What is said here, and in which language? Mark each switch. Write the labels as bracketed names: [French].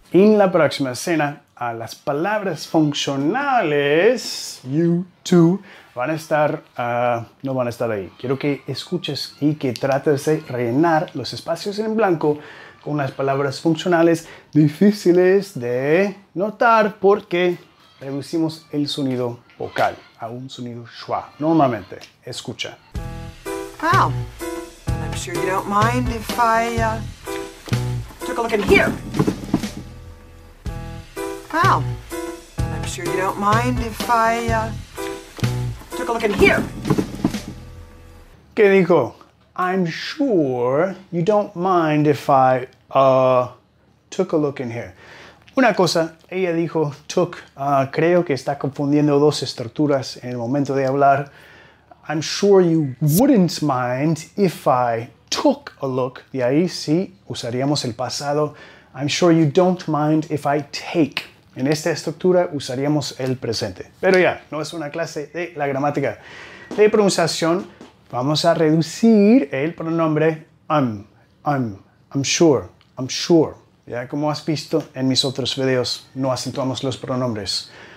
[Spanish] En la próxima escena, a las palabras funcionales, [English] you two, [Spanish] no van a estar ahí. Quiero que escuches y que trates de rellenar los espacios en blanco con las palabras funcionales difíciles de notar porque reducimos el sonido vocal a un sonido schwa. Normalmente, escucha. [English] Well, I'm sure you don't mind if I took a look in here. Well, I'm sure you don't mind if I took a look in here. [Spanish] ¿Qué dijo? [English] I'm sure you don't mind if I took a look in here. [Spanish] Una cosa, ella dijo, creo que está confundiendo dos estructuras en el momento de hablar. [English] I'm sure you wouldn't mind if I took a look. [Spanish] De ahí sí, usaríamos el pasado. [English] I'm sure you don't mind if I take. [Spanish] En esta estructura usaríamos el presente. Pero ya, no es una clase de la gramática de pronunciación. Vamos a reducir el pronombre [English] I'm sure. [Spanish] Ya, como has visto en mis otros videos, no acentuamos los pronombres.